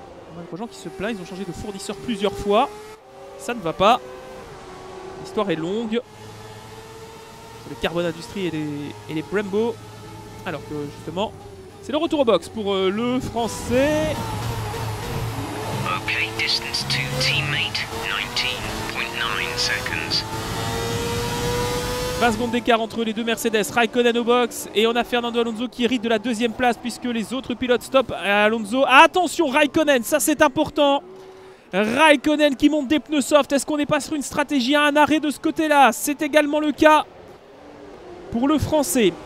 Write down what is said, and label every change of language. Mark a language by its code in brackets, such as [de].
[fr] Romain Grosjean qui se plaint, ils ont changé de fournisseur plusieurs fois. Ça ne va pas. L'histoire est longue. Le Carbon Industries et les Brembo. Alors que justement, c'est le retour au box pour le français. [en] Ok, distance to teammate, 19.9 seconds. [fr] 20 secondes d'écart entre les deux Mercedes, Raikkonen au box, et on a Fernando Alonso qui hérite de la deuxième place puisque les autres pilotes stoppent à Alonso. Attention Raikkonen, ça c'est important. Raikkonen qui monte des pneus soft, est-ce qu'on est pas sur une stratégie à un arrêt de ce côté-là? C'est également le cas pour le français.